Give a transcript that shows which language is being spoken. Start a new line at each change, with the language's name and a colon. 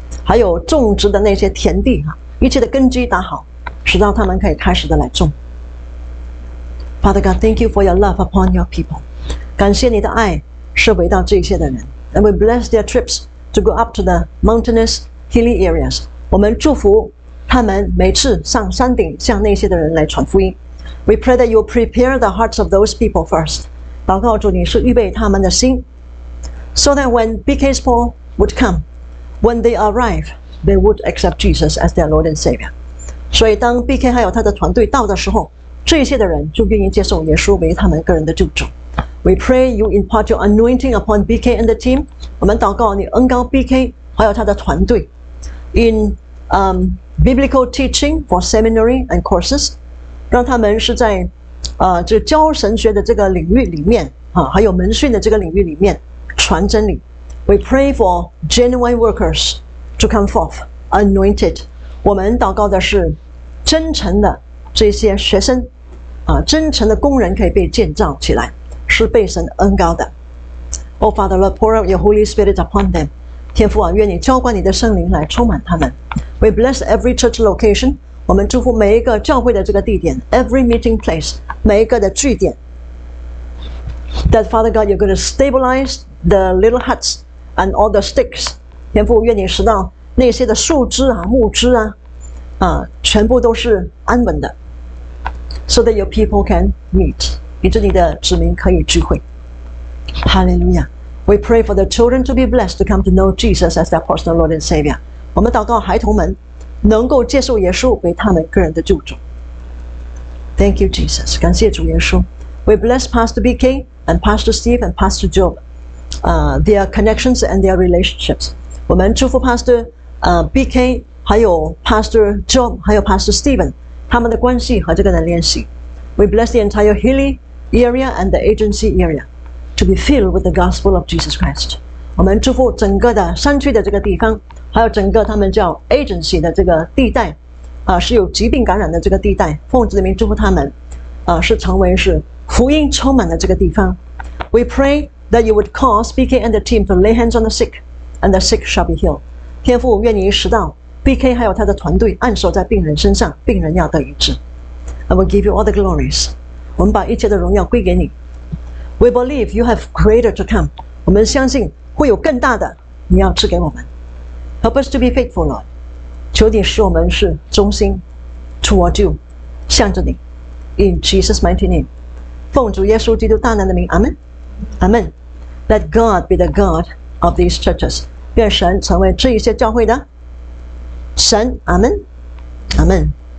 Chinese: 还有种植的那些田地，一切的根基打好，使到他们可以开始的来种。
English: Father God, thank you for your love upon your people.
Chinese: 感谢你的爱是围绕这些的人。
English: And we bless their trips to go up to the mountainous hilly areas.
Chinese: 我们祝福他们每次上山顶向那些的人来传福音。
English: We pray that you prepare the hearts of those people first.
Chinese: 祷告主，你是预备他们的心。
English: So that when BK's Paul would come, when they arrive, they would accept Jesus as their Lord and Savior.
Chinese: 所以当 BK 还有他的团队到的时候，这些的人就愿意接受耶稣为他们个人的救主。
English: We pray you impart your anointing upon BK and the team.
Chinese: 我们祷告你恩膏 BK 还有他的团队。
English: In biblical teaching for seminary and courses,
Chinese: 让他们是在这教神学的这个领域里面还有门训的这个领域里面。传真理
English: We pray for genuine workers to come forth anointed.
Chinese: 我们祷告的是真诚的这些学生真诚的工人可以被建造起来，是被神恩膏的。
English: Oh Father Lord, pour out your Holy Spirit upon them.
Chinese: 天父啊，愿你浇灌你的圣灵来充满他们。
English: We bless every church location.
Chinese: 我们祝福每一个教会的这个地点，
English: every meeting place,
Chinese: 每一个的据点。
English: That Father God, you're going to stabilize the little huts and all the sticks.
Chinese: 天父，愿你使到那些的树枝木枝全部都是安稳的。
English: So that your people can meet,
Chinese: 以致你的子民可以聚会。
English: Hallelujah. We pray for the children to be blessed to come to know Jesus as their personal Lord and Savior.
Chinese: 我们祷告孩童们能够接受耶稣为他们个人的救主。
English: Thank you, Jesus.
Chinese: 感谢主耶稣。
English: We bless Pastor BK. And Pastor Steve and Pastor Job, their connections and their relationships.
Chinese: 我们祝福 Pastor BK, 还有 Pastor Job, 还有 Pastor Steven, 他们的关系和这个的联系。
English: We bless the entire Hilly area and the agency area to be filled with the gospel of Jesus Christ.
Chinese: 我们祝福整个的山区的这个地方，还有整个他们叫 agency 的这个地带，是有疾病感染的这个地带。奉主的名祝福他们，是成为是。福音充满了这个地方。
English: We pray that you would cause BK and the team to lay hands on the sick, and the sick shall be healed.
Chinese: 天父，愿你使到 BK 还有他的团队按手在病人身上，病人要得医治。
English: I will give you all the glories.
Chinese: 我们把一切的荣耀归给你。
English: We believe you have greater to come.
Chinese: 我们相信会有更大的你要赐给我们。
English: Help us to be faithful, Lord.
Chinese: 求你使我们是忠心
English: toward you,
Chinese: 向着你。
English: In Jesus' mighty name.
Chinese: 奉主耶稣基督大能的名，阿门，阿门。
English: Let God be the God of these churches.
Chinese: 愿神成为这一些教会的神，阿门，阿门。